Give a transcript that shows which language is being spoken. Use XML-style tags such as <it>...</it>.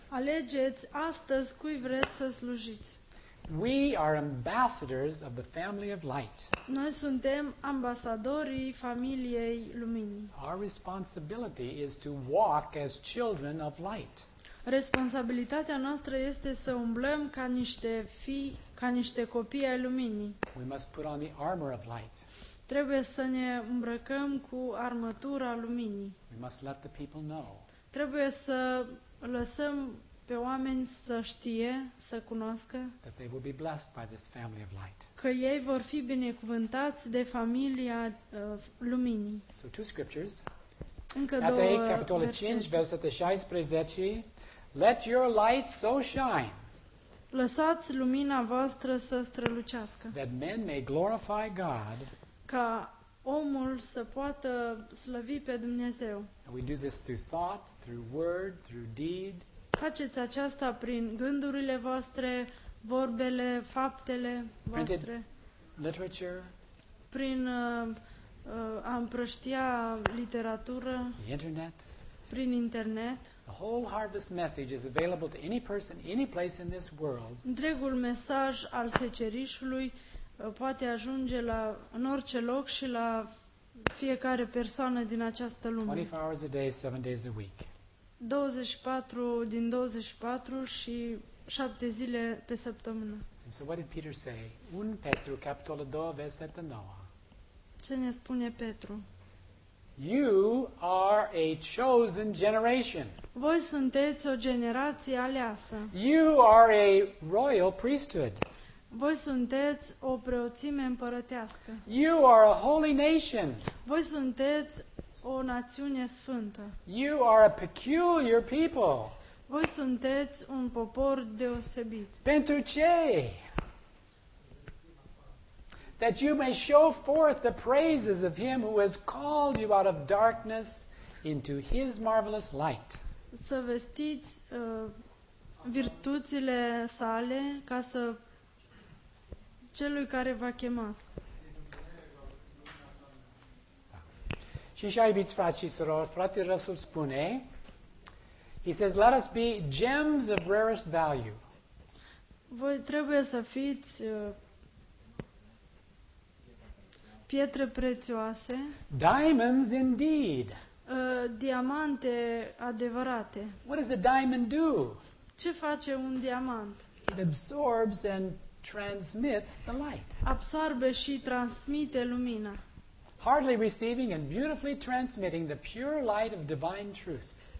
<ro>Alegeți astăzi cui vreți să slujiți.</ro> <en>We are ambassadors of the family of light.</en> <ro>Noi suntem ambasadorii familiei luminii.</ro> <en>Our responsibility is to walk as children of light.</en> <ro>Responsabilitatea noastră este să umblăm ca niște fii, ca niște copii ai luminii.</ro> <en>We must put on the armor of light.</en> <ro>Trebuie să ne îmbrăcăm cu armătura luminii.</ro> <en>We must let the people know.</en> <ro>Trebuie să lăsăm pe oameni să știe, să cunoască</ro> <en>that they will be blessed by this family of light.</en> <ro>Că ei vor fi binecuvântați de familia luminii.</ro> <en>So two scriptures.</en> <ro>Încă două Matei, capitolul 5, versetul 16.</ro> <en>Let your light so shine.</en> <ro>Lăsați lumina voastră să strălucească.</ro> <en>That men may glorify God.</en> <ro>Ca omul să poată slăvi pe Dumnezeu.</ro> <en>And we do this through thought, through word, through deed.</en> <ro>Faceți aceasta prin gândurile voastre, vorbele, faptele voastre.</ro> <en>Printed literature.</en> <ro>Prin a împrăștia literatură.</ro> <en>The internet.</en> <ro>Prin internet.</ro> <en>The whole harvest message is available to any person, any place in this world.</en> <ro>Întregul mesaj al secerișului poate ajunge la în orice loc și la fiecare persoană din această lume.</ro> <en>24 hours a day, 7 days a week.</en> <ro>24 din 24 și 7 zile pe săptămână.</ro> <en>And so what did Peter say?</en> <ro>1 Petru capitolul 2, versetul 9. Ce ne spune Petru?</ro> <en>You are a chosen generation.</en> <ro>Voi sunteți o generație aleasă.</ro> <en>You are a royal priesthood.</en> <ro>Voi sunteți o preoțime împărătească.</ro> <en>You are a holy nation.</en> <ro>Voi sunteți o națiune sfântă.</ro> <en>You are a peculiar people.</en> <ro>Voi sunteți un popor deosebit. Pentru ce?</ro> <en>That you may show forth the praises of him who has called you out of darkness into his marvelous light.</en> <ro>Să vestiți virtuțile sale ca să celui care v-a chemat. Și așa, iubiți frați și surori, fratele Răsul spune,</ro> <en>he says, let us be gems of rarest value.</en> <ro>Voi trebuie să fiți pietre prețioase.</ro> <en>Diamonds indeed.</en> <ro>Diamante adevărate.</ro> <en>What does a diamond do?</en> <ro>Ce face un diamant?</ro> <en>It absorbs and transmits the light.</en> <ro>Absorbe și transmite lumina.</ro> <en>Hardly receiving and beautifully transmitting the pure light of divine truth.</en>